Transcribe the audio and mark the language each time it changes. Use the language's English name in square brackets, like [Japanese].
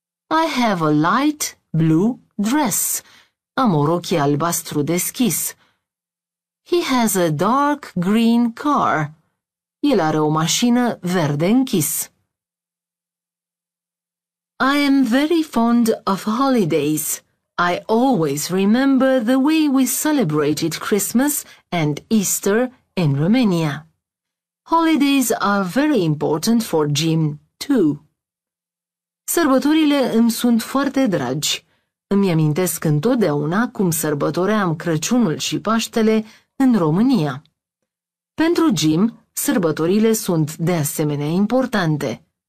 [English] I have a light blue dress. [Romanian] Am o rochie albastru deschis. [English] He has a dark green car. [Romanian] El are o mașină verde închis. [English] I am very fond of holidays. I always remember the way we celebrated Christmas and Easter in Romania. Holidays are very important for Jim, too. [Romanian] Sărbătorile îmi sunt foarte dragi. Îmi amintesc întotdeauna cum sărbătoream Crăciunul și Paștele în România. Pentru Jim, sărbătorile sunt de asemenea importante.